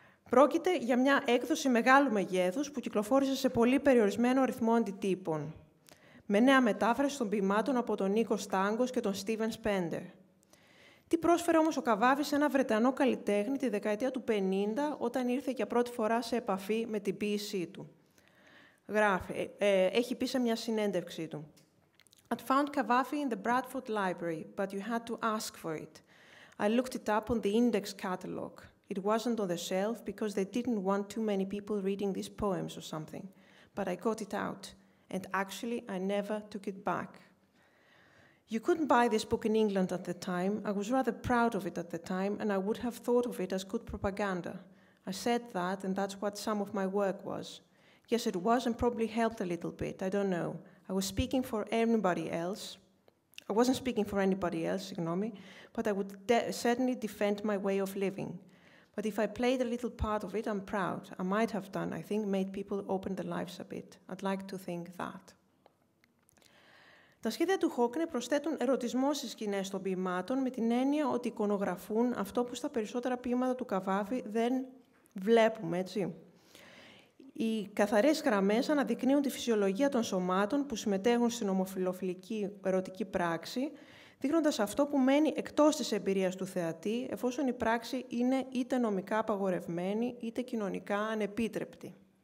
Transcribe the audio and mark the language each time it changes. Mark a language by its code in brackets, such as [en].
[el] Πρόκειται για μια έκδοση μεγάλου μεγέθους που κυκλοφόρησε σε πολύ περιορισμένο αριθμό αντιτύπων, με νέα μετάφραση των ποιημάτων από τον Νίκο Στάγκος και τον Στίβεν Σπέντερ. Τι πρόσφερε όμως ο Καβάφης σε ένα Βρετανό καλλιτέχνη τη δεκαετία του 50, όταν ήρθε για πρώτη φορά σε επαφή με την ποίησή του. Γράφει, έχει πει σε μια συνέντευξή του. [en] I'd found Cavafy in the Bradford Library, but you had to ask for it. I looked it up on the index catalog. It wasn't on the shelf because they didn't want too many people reading these poems or something. But I got it out, and actually I never took it back. You couldn't buy this book in England at the time. I was rather proud of it at the time, and I would have thought of it as good propaganda. I said that, and that's what some of my work was. Yes, it was, and probably helped a little bit. I don't know. I was speaking for anybody else. I wasn't speaking for anybody else, ignore me, but I would certainly defend my way of living. But if I played a little part of it, I'm proud. I might have done, I think, made people open their lives a bit. I'd like to think that. [el] Τα σχέδια του Χόκνε προσθέτουν ερωτισμό στις σκηνές των ποιημάτων με την έννοια ότι εικονογραφούν αυτό που στα περισσότερα ποιήματα του Καβάφη δεν βλέπουμε, έτσι. Οι καθαρές γραμμές αναδεικνύουν τη φυσιολογία των σωμάτων που συμμετέχουν στην ομοφιλοφιλική ερωτική πράξη, δείχνοντας αυτό που μένει εκτός της εμπειρίας του θεατή, εφόσον η πράξη είναι είτε νομικά απαγορευμένη είτε κοινωνικά ανεπίτρεπτη.